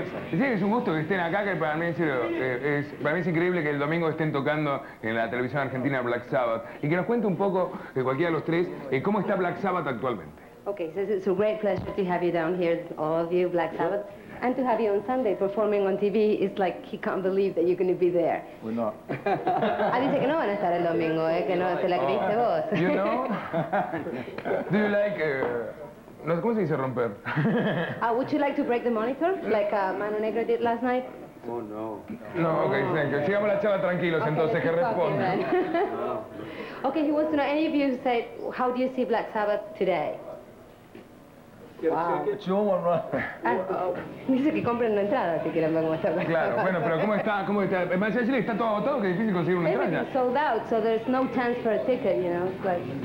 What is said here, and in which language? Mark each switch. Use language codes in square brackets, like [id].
[es] Sí, es un gusto que estén acá, que para mí, en serio, para mí es increíble que el domingo estén tocando en la televisión argentina Black Sabbath. Y que nos cuente un poco, cualquiera de los tres, cómo está Black Sabbath actualmente. [en] Ok, so it's a great pleasure to have you down here, all of you, Black Sabbath. And to have you on Sunday performing on TV, it's like he can't believe that you're going to be there. We're not. [es] Ah, dice que no van a estar el domingo, que no te la creíste vos. [en] You know? Do you like... [es] No, ¿cómo se dice romper? [en] Would you like to break the monitor, like Mano Negro did last night? Oh, no. [es] No, [en] okay, thank you. [es] Sigamos la charla tranquilos, okay, entonces, que responde. [en] Okay, he wants to know, any of you say, how do you see Black Sabbath today? Wow. [es] Dice que compren una entrada, si quieren ver cómo está. Claro, bueno, pero ¿cómo está? En Mancha Chile está todo agotado, que es difícil conseguir una entrada. [en] It's sold out, so there's no chance for a ticket, you know, but...